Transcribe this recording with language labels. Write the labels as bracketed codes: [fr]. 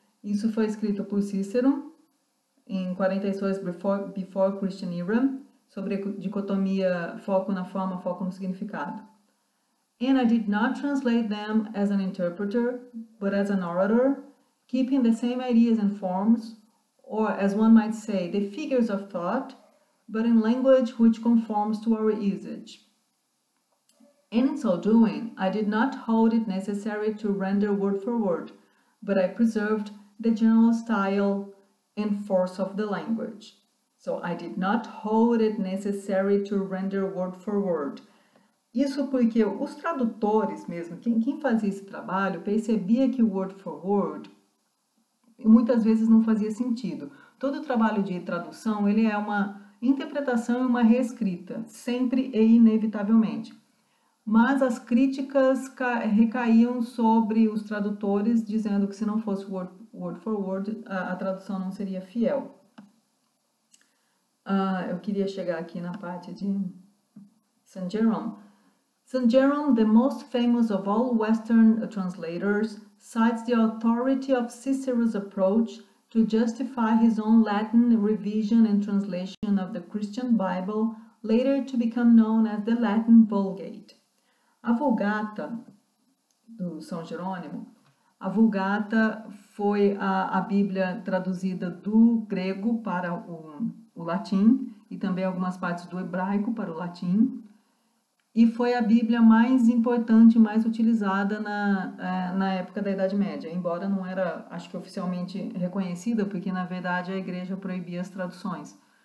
[pt] Isso foi escrito por Cícero em 42 [en] Before Christian Era, [pt] sobre a dicotomia foco na forma, foco no significado. [en] And I did not translate them as an interpreter, but as an orator, keeping the same ideas and forms, or as one might say, the figures of thought, but in language which conforms to our usage. And in so doing, I did not hold it necessary to render word for word, but I preserved the general style and force of the language. So I did not hold it necessary to render word for word. [pt] Isso porque os tradutores mesmo, quem fazia esse trabalho, percebia que o [en] word for word [pt] muitas vezes não fazia sentido. Todo o trabalho de tradução, ele é uma interpretação e uma reescrita, sempre e inevitavelmente. Mas as críticas recaíam sobre os tradutores, dizendo que se não fosse word for word, a tradução não seria fiel. Eu queria chegar aqui na parte de Saint Jerome. [en] Saint Jerome, the most famous of all Western translators, cites the authority of Cicero's approach to justify his own Latin revision and translation of the Christian Bible, later to become known as the Latin Vulgate. [pt] A Vulgata do São Jerônimo, a Vulgata foi a Bíblia traduzida do grego para o latim e também algumas partes do hebraico para o latim. E foi a Bíblia mais importante, mais utilizada na época da Idade Média, embora não era, acho que, oficialmente reconhecida, porque na verdade a Igreja proibia as traduções.